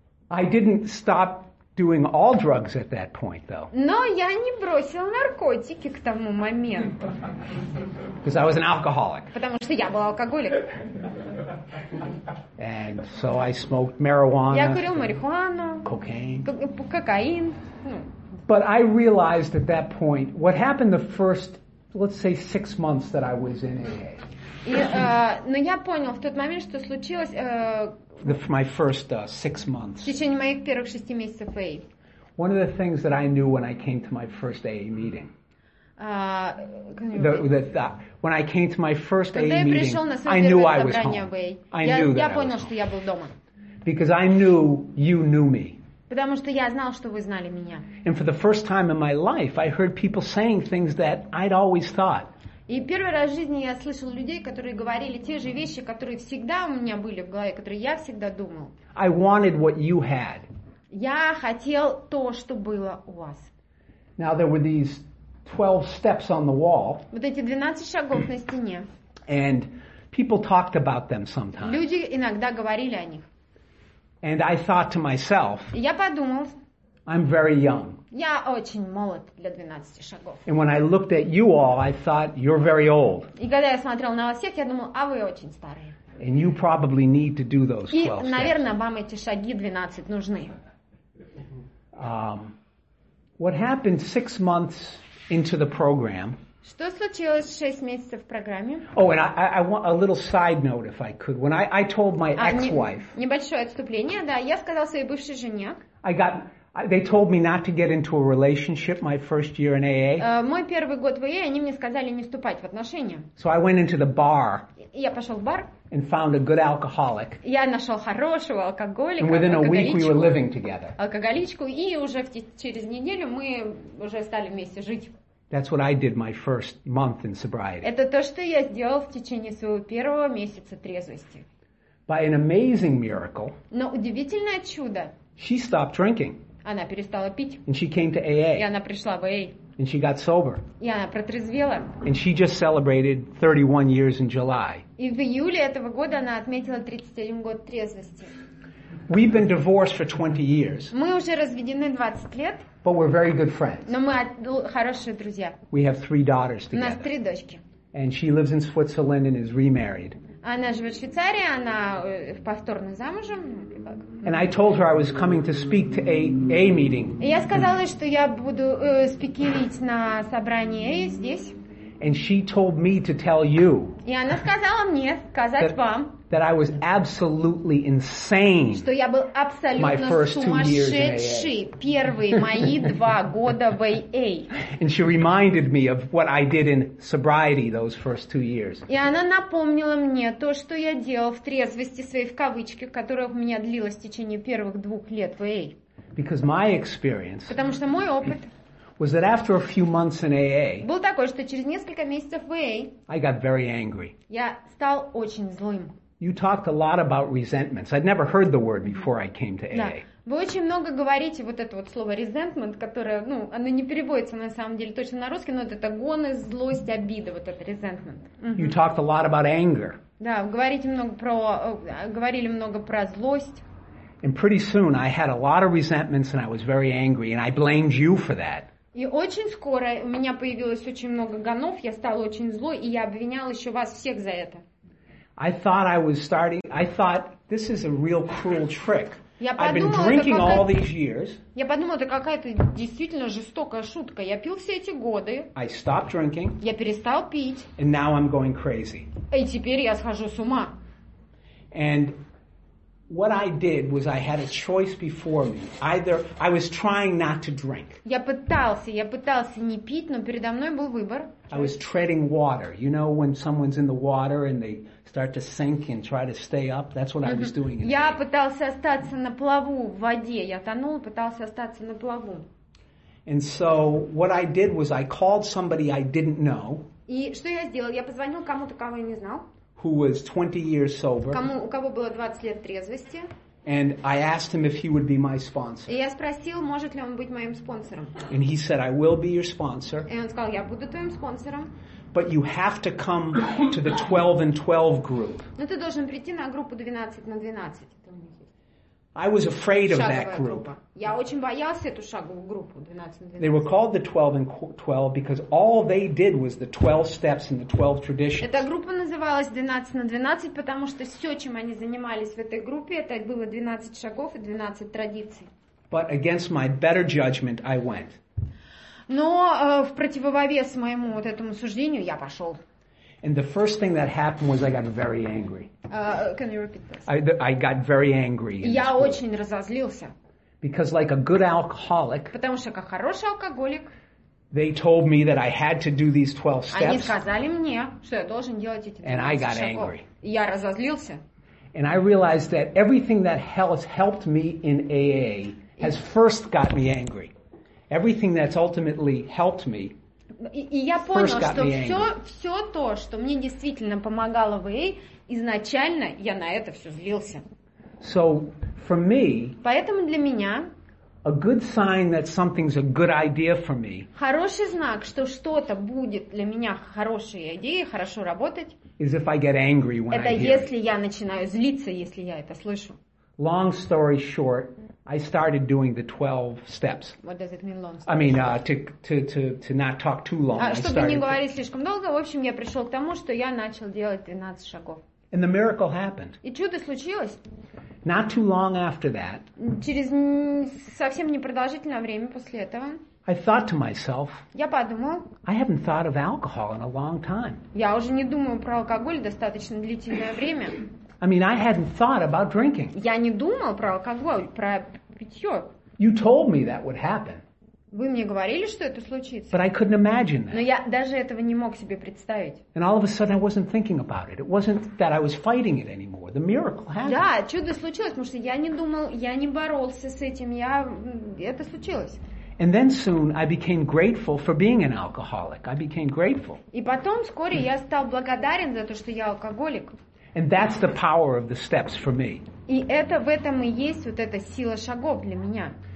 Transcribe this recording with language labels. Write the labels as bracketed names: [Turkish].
[English] I didn't stop doing all drugs at that point, though. [Russian] Но я не бросил наркотики к тому моменту. [English] Because I was an alcoholic. [Russian] Потому что я был алкоголик. [English] And so I smoked marijuana. [Russian] Я курил марихуану. [English] Cocaine. [Russian] Кокаин. [English] But I realized at that point what happened the first, let's say, 6 months that I was in AA. [Russian] Но я понял в тот момент, что случилось. [English] My first 6 months. [Russian] В течение моих первых 6 месяцев AA. [English] One of the things that I knew when I came to my first AA meeting. When I came to my first AA meeting, I knew I was home. [Russian] Я понял, что я был дома. [English] Because I knew you knew me. [Russian] Потому что я знал, что вы знали меня. [English] And for the first time in my life, I heard people saying things that I'd always thought. [Russian] И первый раз в жизни я слышал людей, которые говорили те же вещи, которые всегда у меня были в голове, которые я всегда думал. [English] I wanted what you had. [Russian] Я хотел то, что было у вас. [English] Now there were these 12 steps on the wall. [Russian] Вот эти 12 шагов на стене. [English] And people talked about them sometimes. [Russian] Люди иногда говорили о них. [English] And I thought to myself. [Russian] И я подумал. [English] I'm very young. [Russian] Я очень молод для 12 шагов. [English] And when I looked at you all, I thought you're very old. [Russian] И когда я смотрел на вас всех, я думал, а вы очень старые. [English] And you probably need to do those 12 steps. [Russian] И, наверное, вам эти шаги 12 нужны. [English] What happened 6 months into the program? [Russian] Что случилось 6 месяцев в программе? [English] Oh, and I want a little side note, if I could. When I told my ex-wife. [Russian] Небольшое отступление, да. Я сказал своей бывшей жене. [English] They told me not to get into a relationship my first year in AA. [Russian] Мой первый год в AA, они мне сказали не вступать в отношения. [English] So I went into the bar. [Russian] Я пошел в бар. [English] And found a good alcoholic. [Russian] Я нашел хорошего алкоголика. [English] And within a week we were living together. [Russian] Алкоголичку, и уже через неделю мы уже стали вместе жить. [English] That's what I did my first month in sobriety. [Russian] Это то, что я сделал в течение своего первого месяца трезвости. [English] By an amazing miracle. [Russian] Но удивительное чудо. [English] She stopped drinking. [Russian] Она перестала пить. [English] And she came to AA. [Russian] И она пришла в AA. [English] And she got sober. [Russian] И она протрезвела. [English] And she just celebrated 31 years in July. [Russian] И в июле этого года она отметила 31 год трезвости. [English] We've been divorced for 20 years. [Russian] Мы уже разведены 20 лет. [English] But we're very good friends. [Russian] Но мы хорошие друзья. [English] We have 3 daughters together. [Russian] У нас 3 дочки. [English] And she lives in Switzerland and is remarried. [Russian] Она живет в Швейцарии, она повторно замужем. [English] And I told her I was coming to speak to AA meeting. [Russian] Я сказала, что я буду спикерить на собрании AA здесь. [English] And she told me to tell you. [Russian] И она сказала мне сказать вам. [English] That I was absolutely insane. [Russian] Что я был абсолютно сумасшедший первые мои 2 года в AA. [English] And she reminded me of what I did in sobriety those first 2 years. [Russian] И она напомнила мне то, что я делал в трезвости своей в кавычках, которая у меня длилась в течение первых 2 лет в AA. [English] Because my experience. [Russian] Потому что мой опыт. [English] was that after a few months in AA, [Russian] был такой, что через несколько месяцев в AA, [English] I got very angry. [Russian] Я стал очень злым. [English] You talked a lot about resentments. I'd never heard the word before I came to AA. [Russian] Да. Вы очень много говорите вот это вот слово resentment, которое, ну, оно не переводится на самом деле точно на русский, но это гонор, злость, обида, вот это resentment. [English] You talked a lot about anger. [Russian] Да, говорили много про злость. [English] And pretty soon I had a lot of resentments and I was very angry and I blamed you for that. [Russian] И очень скоро у меня появилось очень много гонов, я стал очень злой, и я обвинял еще вас всех за это. [English] I thought this is a real cruel trick. [Russian] Я подумала, это какая-то действительно жестокая шутка. Я пил все эти годы. [English] I stopped drinking. [Russian] Я перестал пить. [English] And now I'm going crazy. [Russian] И теперь я схожу с ума. [English] And what I did was I had a choice before me. Either I was trying not to drink. [Russian] Я пытался не пить, но передо мной был выбор. [English] I was treading water. You know, when someone's in the water and they start to sink and try to stay up, that's what I was doing. [Russian] Я пытался остаться на плаву в воде. Я тонул, пытался остаться на плаву. [English] And so what I did was I called somebody I didn't know. [Russian] И что я сделал? Я позвонил кому-то, кого я не знал. [English] Who was 20 years sober? [Russian] У кого было 20 лет трезвости? [English] And I asked him if he would be my sponsor. [Russian] И я спросил, может ли он быть моим спонсором? [English] And he said, I will be your sponsor. [Russian] И он сказал, я буду твоим спонсором. [English] But you have to come to the 12 and 12 group. [Russian] Но ты должен прийти на группу 12 на 12. [English] I was afraid of that group. [Russian] Я очень боялся эту шаговую группу 12 на 12. [English] They were called the 12 and 12 because all they did was the 12 steps and the 12 traditions. [Russian] Эта группа называлась 12 на 12, потому что все, чем они занимались в этой группе, это было 12 шагов и 12 традиций. [English] But against my better judgment, I went. [Russian] Но в противовес моему вот этому суждению я пошел. [English] And the first thing that happened was I got very angry. Can you repeat this? I got very angry. [Russian] Я очень разозлился. [English] Because like a good alcoholic. [Russian] Потому что как хороший алкоголик. [English] They told me that I had to do these 12 steps. [Russian] Они сказали мне, что я должен делать эти 12 шагов. [English] And I got angry. [Russian] Я разозлился. [English] And I realized that everything that has helped me in AA has first got me angry. Everything that's ultimately helped me. [Russian] И я понял, что все то, что мне действительно помогало в AA, изначально я на это все злился. [English] So, for me, [Russian] поэтому для меня [English] a good sign that something's a good idea for me, [Russian] хороший знак, что что-то будет для меня хорошей идеей, хорошо работать, [English] is if I get angry when [Russian] это [English] I hear. [Russian] Если я начинаю злиться, если я это слышу. [English] Long story short, I started doing the 12 steps. What does it mean, long story? I mean, to not talk too long. [Russian] Чтобы не говорить слишком долго, в общем, я пришел к тому, что я начал делать 12 шагов. [English] And the miracle happened. [Russian] И чудо случилось. [English] Not too long after that. [Russian] Через совсем непродолжительное время после этого. [English] I thought to myself. [Russian] Я подумал. [English] I haven't thought of alcohol in a long time. [Russian] Я уже не думаю про алкоголь достаточно длительное время. [English] I mean, I hadn't thought about drinking. [Russian] Я не думал про алкоголь, про питьё. [English] You told me that would happen. [Russian] Вы мне говорили, что это случится. [English] But I couldn't imagine that. [Russian] Но я даже этого не мог себе представить. [English] And all of a sudden, I wasn't thinking about it. It wasn't that I was fighting it anymore. The miracle happened. [Russian] Да, чудо случилось, потому что я не думал, я не боролся с этим, это случилось. [English] And then soon I became grateful for being an alcoholic. I became grateful. [Russian] И потом вскоре я стал благодарен за то, что я алкоголик. [English] And that's the power of the steps for me. [Russian] И это в этом и есть вот эта сила шагов для меня.